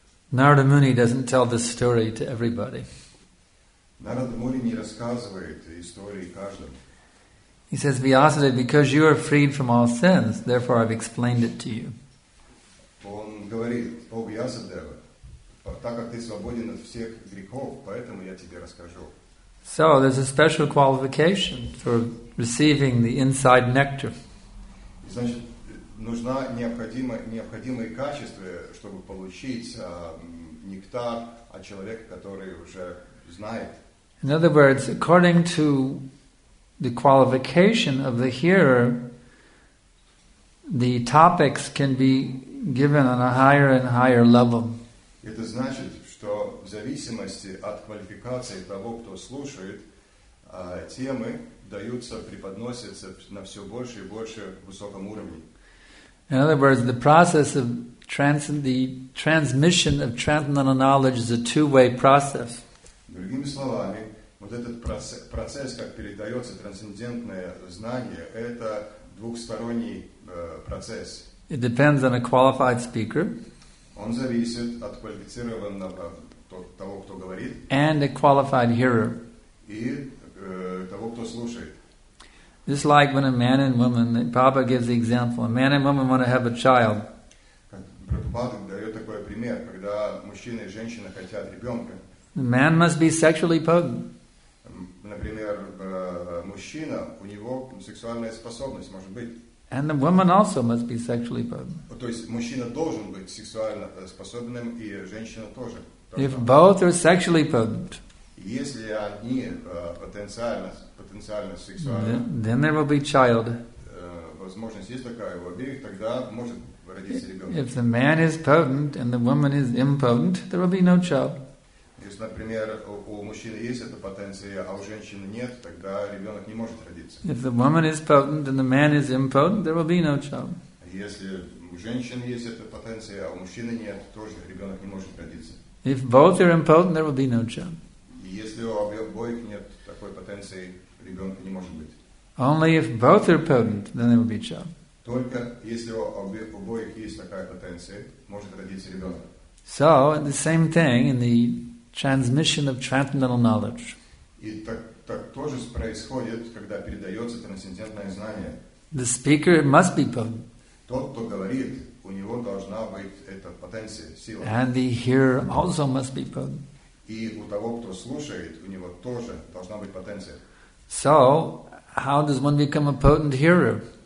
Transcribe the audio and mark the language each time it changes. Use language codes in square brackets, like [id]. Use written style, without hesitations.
[en] Narada Muni doesn't tell this story to everybody. [ru] Narada Muni не рассказывает истории каждому. [en] He says, Vyasadeva, because you are freed from all sins, therefore I've explained it to you. [ru] Он говорит, о Вьясадева, так как ты свободен от всех грехов, поэтому я тебе расскажу. [en] So, there's a special qualification for receiving the inside nectar. [ru] Значит, нужна необходимые качества, чтобы получить нектар от человека, который уже знает. [en] In other words, according to the qualification of the hearer, the topics can be given on a higher and higher level. [ru] Это значит, что в зависимости от квалификации того, кто слушает, темы даются, преподносятся на все больше и больше высоком уровне. [en] In other words, the process of the transmission of transcendental knowledge is a two-way process. [ru] Другими словами, вот этот процесс, как передается трансцендентное знание, это двухсторонний процесс. [en] It depends on a qualified speaker. [ru] Он зависит от квалифицированного того, кто говорит. [en] And a qualified hearer. [ru] И того, кто слушает. [en] Just like when a man and woman, Prabhupada gives the example, a man and woman want to have a child. [ru] Прабхупада дает такой пример, когда мужчина и женщина хотят ребенка. [en] The man must be sexually potent. [ru] Например, мужчина, у него сексуальная способность может быть. [en] And the woman also must be sexually potent. [ru] То есть мужчина должен быть сексуально способным, и женщина тоже. [en] If both are sexually potent, [ru] если они потенциально сексуальны, [en] then there will be child. [ru] Возможность есть такая у обеих, тогда может родиться ребенок. [en] If the man is potent and the woman is impotent, there will be no child. [ru] Если, например, у мужчины есть эта потенция, а у женщины нет, тогда ребенок не может родиться. [en] If the woman is potent and the man is impotent, there will be no child. [ru] Если у женщины есть эта потенция, а у мужчины нет, тоже ребенок не может родиться. [en] If both are impotent, there will be no child. [ru] Если у обоих нет такой потенции, ребенка не может быть. [en] Only if both are potent, then there will be a child. [ru] Только если у обоих есть такая потенция, может родиться ребенок. [en] So, the same thing in the transmission of transcendental knowledge. [ru] И так тоже происходит, когда передается трансцендентное знание. [en] The speaker must be potent. [ru] Тот, кто говорит, у него должна быть эта потенция, сила. [en] And the hearer also must be potent. [ru] И у того, кто слушает, у него тоже должна быть потенция. [en] So, how does one become a potent hearer?